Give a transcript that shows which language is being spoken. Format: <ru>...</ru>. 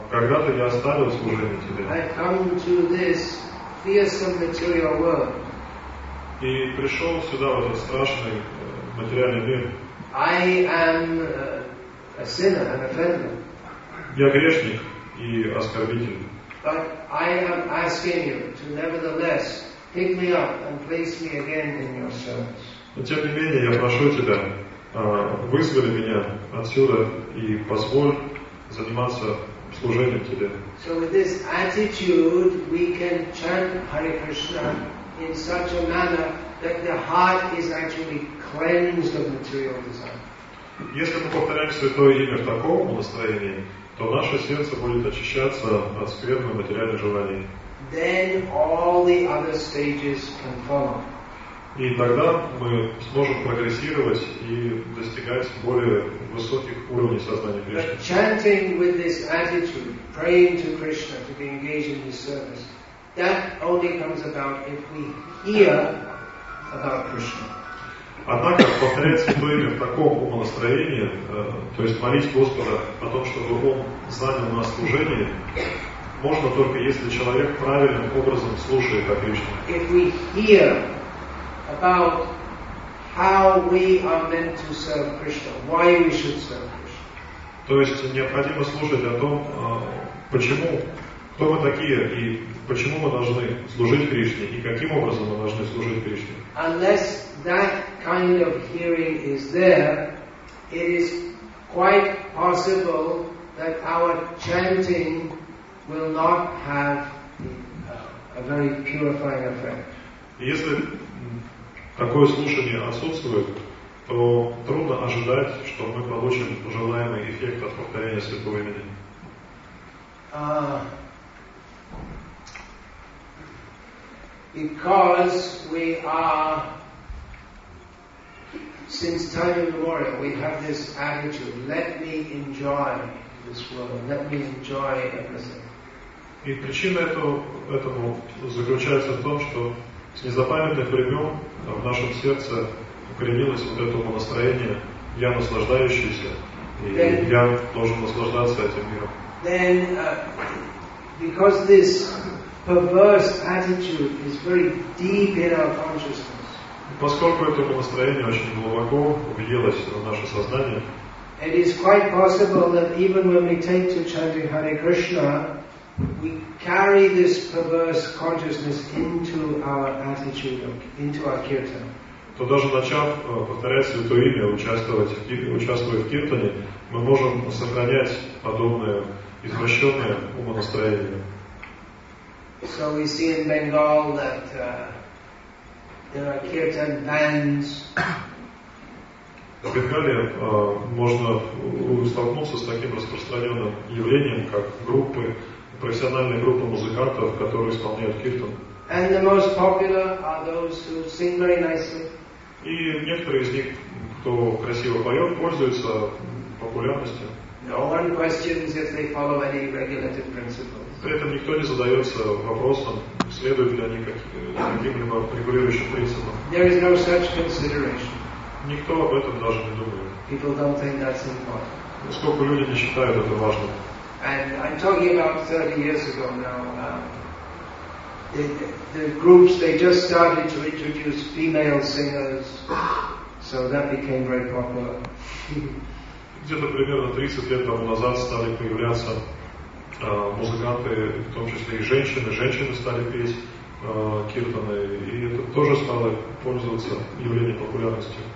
<ru>Когда-то я оставил служение Тебе.</ru> <en>I come to this fearsome material world.</en> <ru>И пришел сюда в этот страшный материальный мир.</ru> <en>I am a sinner, an offender.</en> <ru>Я грешник и оскорбитель.</ru> <en>But I am asking you to nevertheless pick me up and place me again in your service.</en> <ru>Тем не менее, я прошу тебя, вызвали меня отсюда и позволь заниматься служением тебе.</ru> <en>So with this attitude, we can chant Hare Krishna in such a manner that the heart is actually cleansed of material desire.</en> <ru>Если мы повторяем святое имя в таком настроении, то наше сердце будет очищаться от скверны материальных желаний.</ru> <en>Then all the other stages can follow.</en> <ru>И тогда мы сможем прогрессировать и достигать более высоких уровней сознания Кришны.</ru> <en>But chanting with this attitude, praying to Krishna to be engaged in His service, that only comes about if we hear about Krishna.</en> <ru>Однако повторять святое имя в таком настроении, то есть молить Господа о том, чтобы Он занял нас служением, можно только если человек правильным образом слушает о Кришне.</ru> <en>If we hear about how we are meant to serve Krishna, why we should serve Krishna.</en> <ru>То есть необходимо слушать о том, почему, кто мы такие и почему мы должны служить Кришне и каким образом мы должны служить Кришне.</ru> <en>Unless that kind of hearing is there, it is quite possible that our chanting will not have a very purifying effect.</en> <ru>Если такое слушание отсутствует, то трудно ожидать, что мы получим желаемый эффект от повторения святого имени.</ru> <en>Because we are Since time immemorial, we have this attitude, let me enjoy this world, let me enjoy everything.</en> <ru>И причина этому заключается в том, что с незапамятных времен в нашем сердце укоренилось вот это настроение «я наслаждающийся», и</ru> <en>then,</en> <ru>«я должен наслаждаться этим миром».</ru> <en>Then, because this perverse attitude is very deep in our consciousness,</en> <ru>поскольку это настроение очень глубоко въелось в наше сознание,</ru> <en>it is quite possible that even when we take to chanting Hare Krishna, we carry this perverse consciousness into our attitude, into our kirtan.</en> <ru>То даже начав повторять святое имя, участвуя в киртане, мы можем сохранять подобное извращенное умонастроение.</ru> <en>So we see in Bengal that there are kirtan bands.</en> <ru>В Бенгале можно столкнуться с таким распространенным явлением, как группы. Профессиональная группа музыкантов, которые исполняют киртан.</ru> <en>And the most popular are those who sing very nicely.</en> <ru>И некоторые из них, кто красиво поет, пользуются популярностью.</ru> <en>No one questions if they follow any regulative principles.</en> <ru>При этом никто не задается вопросом, следуют ли они каким-либо регулирующим принципам.</ru> <en>There is no such consideration.</en> <ru>Никто об этом даже не думает.</ru> <en>People don't think that's important.</en> <ru>Сколько люди не считают это важным.</ru> <en>And I'm talking about 30 years ago now. The groups, they just started to introduce female singers, so that became very popular.</en> <ru>Где-то примерно 30 лет тому назад стали появляться музыканты, в том числе и женщины. Женщины стали петь киртаны, и это тоже стало пользоваться явлением популярности.</ru>